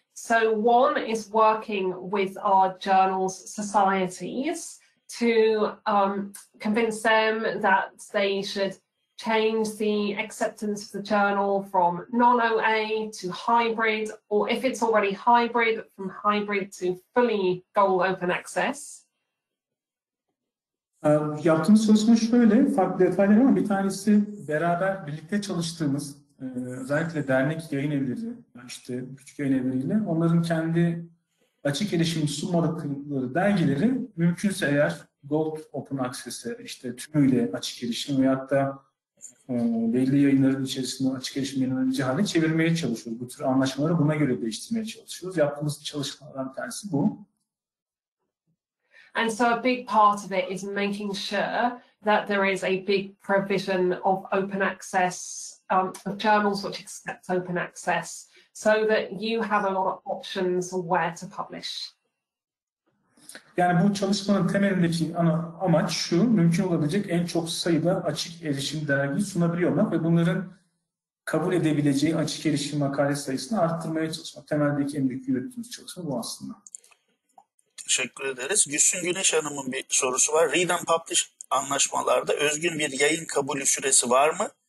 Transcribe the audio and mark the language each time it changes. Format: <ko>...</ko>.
<en>So one is working with our journals societies to convince them that they should change the acceptance of the journal from non-OA to hybrid, or if it's already hybrid, from hybrid to fully gold open access.</en> <tr>Yaptığımız çalışma şöyle, farklı detaylar ama bir tanesi beraber birlikte çalıştığımız özellikle dernek yayın evleri, işte küçük yayın evleriyle onların kendi açık erişim sunmadıkları dergileri mümkünse eğer gold open access'e işte tümüyle açık erişim veyahut da belli yayınların içerisinde açık erişim yayınlanıcı hale çevirmeye çalışıyoruz. Bu tür anlaşmaları buna göre değiştirmeye çalışıyoruz. Yaptığımız çalışmalardan bir tanesi bu.</tr> <en>And so a big part of it is making sure that there is a big provision of open access, of journals which accept open access, so that you have a lot of options where to publish.</en> <tr>Yani bu çalışmanın temelindeki ana amaç şu, mümkün olabilecek en çok sayıda açık erişim dergi sunabiliyor olmak ve bunların kabul edebileceği açık erişim makale sayısını arttırmaya çalışmak. Temeldeki en büyük yürüttüğümüz çalışma bu aslında. Teşekkür ederiz. Güçsün Güneş Hanım'ın bir sorusu var. Read and Publish anlaşmalarda özgün bir yayın kabulü süresi var mı?</tr>